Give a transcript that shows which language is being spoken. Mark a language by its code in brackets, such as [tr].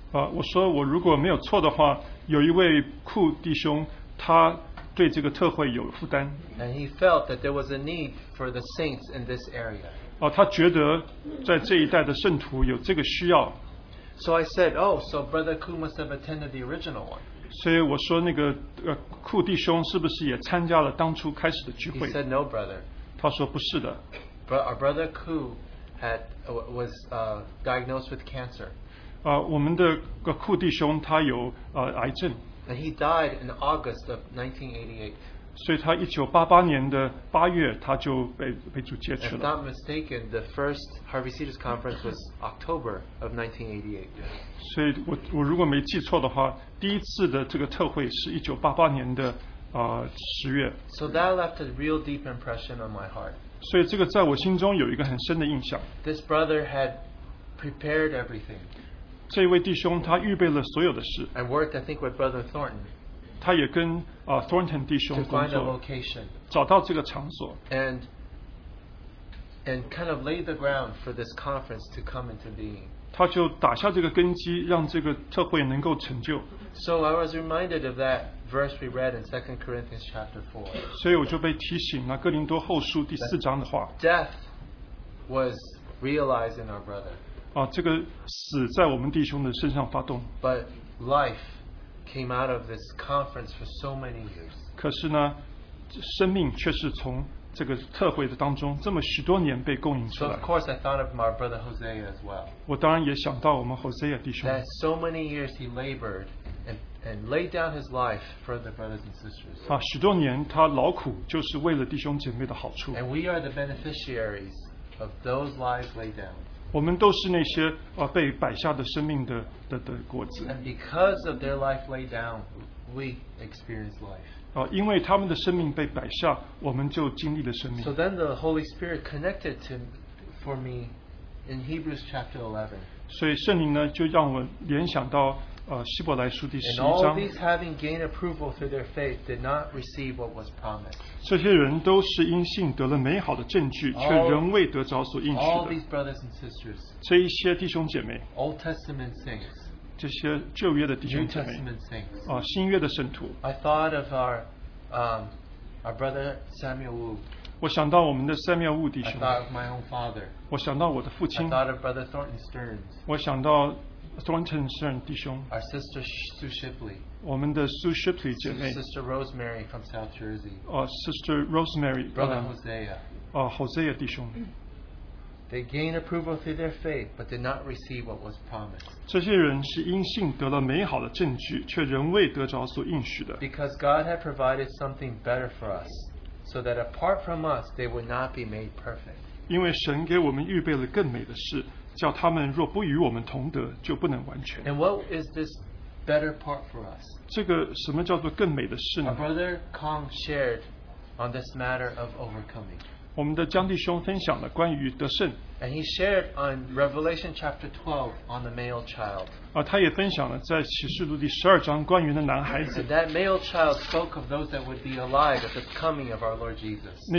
[zh] 我说我如果没有错的话，有一位库弟兄，他对这个特会有负担。 [en] And he felt that there was a need for the saints in this area. [zh] 他觉得在这一代的圣徒有这个需要。 [en] So I said, oh, so brother Ku must have attended the original one. [zh] 所以我说那个库弟兄是不是也参加了当初开始的聚会？ [en] He said no, brother. [zh] 他说不是的。 [en] Our brother Ku was diagnosed with cancer. [zh] 我们的库弟兄他有癌症。 [en] And he died in August of 1988. [zh] 所以他1988年的八月他就被主接去了。 [en] If not mistaken, the first Harvey Cedars conference was October of 1988. [zh] 所以我如果没记错的话，第一次的这个特会是1988年的十月。 [en] So that left a real deep impression on my heart. [zh] 所以这个在我心中有一个很深的印象。 [en] This brother had prepared everything. [zh] 这位弟兄他预备了所有的事。 [en] I worked, I think, with Brother Thornton. [zh] 他也跟Thornton 弟兄工作。 [en] To find a location. [zh] 找到这个场所。 [en] And kind of lay the ground for this conference to come into being. [zh] 他就打下这个根基，让这个特会能够成就。 [en] So I was reminded of that verse we read in 2 Corinthians chapter 4. [zh] 所以我就被提醒了哥林多后书第四章的话。 [en] Death was realized in our brother. [zh] 这个死在我们弟兄的身上发动。 [en] But life came out of this conference for so many years. [zh] 可是呢，生命却是从这个特会的当中，这么许多年被供应出来。 [en] So of course, I thought of my brother Hosea as well. [zh] 我当然也想到我们 Hosea 弟兄。 [en] That so many years he labored and laid down his life for the brothers and sisters. [zh] 许多年他劳苦就是为了弟兄姐妹的好处。 [en] And we are the beneficiaries of those lives laid down. [zh] 我们都是那些被摆下的生命的果子。 [en] And because of their life laid down, we experience life. [zh] 因为他们的生命被摆下，我们就经历了生命。 [en] So then the Holy Spirit connected to for me in Hebrews chapter 11. [zh] 所以圣灵呢，就让我联想到希伯来书第十一章。 [en] And all these having gained approval through their faith did not receive what was promised. [zh] 这些人都是因信得了美好的证据，却仍未得着所应许的。 [en] All these brothers and sisters. [zh] 这一些弟兄姐妹。 [en] Old Testament saints. [zh] 这些旧约的弟兄姐妹，新约的圣徒。 [en] I thought of our brother Samuel Wu. [zh] 我想到我们的 Samuel Wu 弟兄。 [en] I thought of my own father. [zh] 我想到我的父亲。 [en] I thought of brother Thornton Stearns. [zh] 我想到 Thornton Stearns 弟兄。 [en] Our sister Sue Shipley. [zh] 我们的 Sue Shipley 姐妹。 [en] Sister Rosemary from South Jersey. Sister Rosemary. Brother Hosea. [zh] Hosea 弟兄。 [en] They gained approval through their faith, but did not receive what was promised. [zh] 这些人是因信得了美好的证据，却仍未得着所应许的。 [en] Because God had provided something better for us, so that apart from us, they would not be made perfect. [zh] 因为神给我们预备了更美的事，叫他们若不与我们同德，就不能完全。 [en] And what is this better part for us? [zh] 这个什么叫做更美的事呢？ [en] Our brother Kong shared on this matter of overcoming. [zh] 我们的江弟兄分享了关于得胜。 [en] And he shared on Revelation chapter 12 on the male child. [zh] 他也分享了在启示录第十二章关于的男孩子。 [en] And that male child spoke of those that would be alive at the coming of our Lord Jesus.